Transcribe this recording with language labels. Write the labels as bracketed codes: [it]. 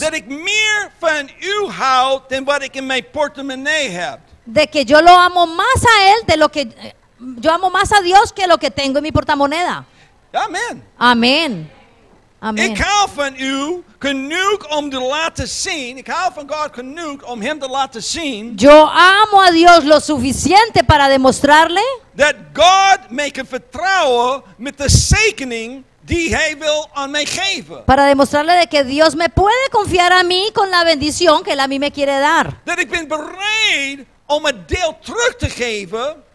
[nl] dat ik meer van u hou dan wat ik in mijn portemonnee heb. [es] De que yo lo amo más a él de lo que yo amo más a Dios que lo que tengo en mi portamoneda. Amén. Amén. Amen. [nl] Ik hou van u genoeg om te laten zien. Ik hou van God genoeg om hem te laten zien. [es] Yo amo a Dios lo suficiente para demostrarle. [nl] Dat God mij kan vertrouwen met de zegening die hij wil aan mij geven. [es] Para demostrarle de que Dios me puede confiar a mí con la bendición que él a mí me quiere dar. [nl] Dat ik ben bereid om een deel terug te geven.